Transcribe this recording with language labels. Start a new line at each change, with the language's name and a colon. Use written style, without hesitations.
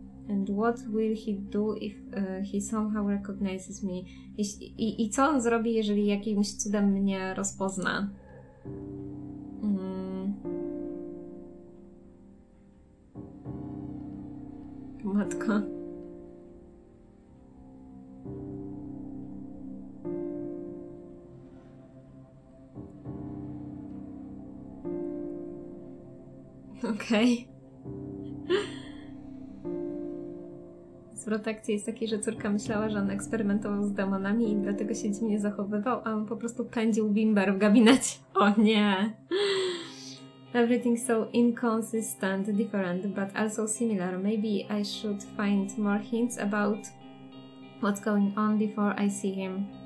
English: And what will he do if he somehow recognizes me?
Polish: I co on zrobi, jeżeli jakimś cudem mnie rozpozna? Matko. Okej. Protekcji jest taki, że córka myślała, że on eksperymentował z demonami i dlatego się dziwnie zachowywał, a on po prostu pędził bimber w gabinecie. O nie!
English: Everything so inconsistent, different, but also similar. Maybe I should find more hints about what's going on before I see him.